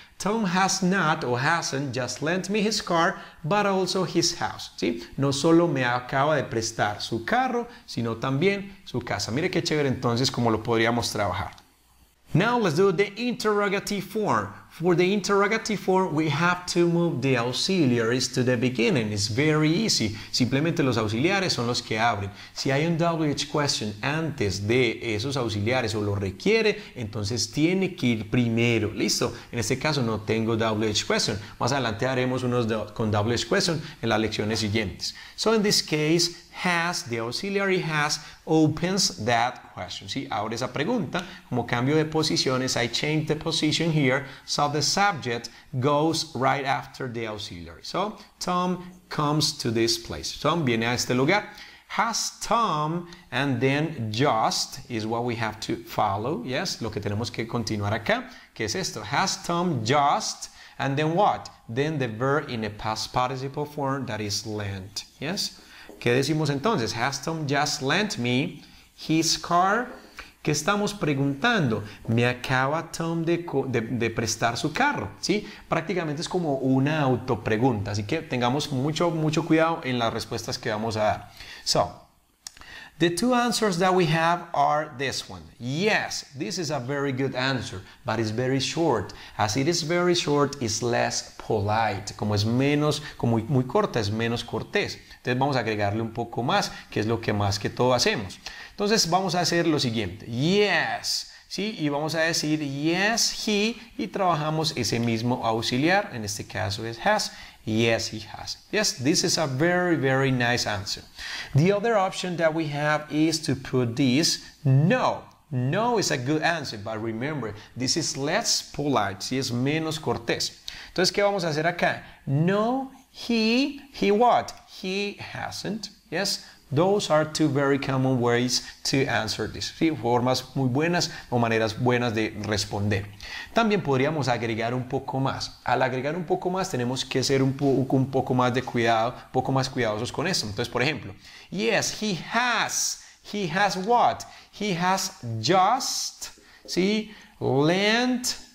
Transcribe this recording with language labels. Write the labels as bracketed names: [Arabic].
[English] Tom has not or hasn't just lent me his car, but also his house. [Spanish] ¿Sí? No solo me acaba de prestar su carro, sino también su casa. Mire qué chévere entonces cómo lo podríamos trabajar. [English] Now let's do the interrogative form. For the interrogative form, we have to move the auxiliaries to the beginning. It's very easy. [Spanish] Simplemente los auxiliares son los que abren. Si hay un WH question antes de esos auxiliares o lo requiere, entonces tiene que ir primero. ¿Listo? En este caso no tengo WH question. Más adelante haremos unos con WH question en las lecciones siguientes. [English] So in this case, has, the auxiliary has, opens that question. ¿Sí? [Spanish] Abre esa pregunta. Como cambio de posiciones, [English] I change the position here. So the subject goes right after the auxiliary. So Tom comes to this place. [Spanish] Tom viene a este lugar. [English] Has Tom and then just is what we have to follow. [Spanish] Yes, lo que tenemos que continuar acá, que es esto. [English] Has Tom just and then what? Then the verb in a past participle form that is lent. Yes. [Spanish] ¿Qué decimos entonces? [English] Has Tom just lent me his car? [Spanish] ¿Qué estamos preguntando? ¿Me acaba Tom de prestar su carro? ¿Sí? Prácticamente es como una autopregunta. Así que tengamos mucho, mucho cuidado en las respuestas que vamos a dar. [English] So, the two answers that we have are this one. Yes, this is a very good answer, but it's very short. As it is very short, it's less polite. [Spanish] Como es menos, como muy, muy corta, es menos cortés. Entonces vamos a agregarle un poco más, que es lo que más que todo hacemos. Entonces vamos a hacer lo siguiente. Yes, ¿sí? Y vamos a decir yes, he, y trabajamos ese mismo auxiliar. En este caso es has. [English] Yes, he has. Yes, this is a very, very nice answer. The other option that we have is to put this no. No is a good answer, but remember, this is less polite. [Spanish] Sí, es menos cortés. Entonces, ¿qué vamos a hacer acá? [English] No, he what? He hasn't. Yes, those are two very common ways to answer this. [Spanish] Sí, formas muy buenas o maneras buenas de responder. También podríamos agregar un poco más. Al agregar un poco más, tenemos que ser un poco más de cuidado, un poco más cuidadosos con esto. Entonces, por ejemplo, [English] yes, he has. He has what? He has just, ¿sí? Lent.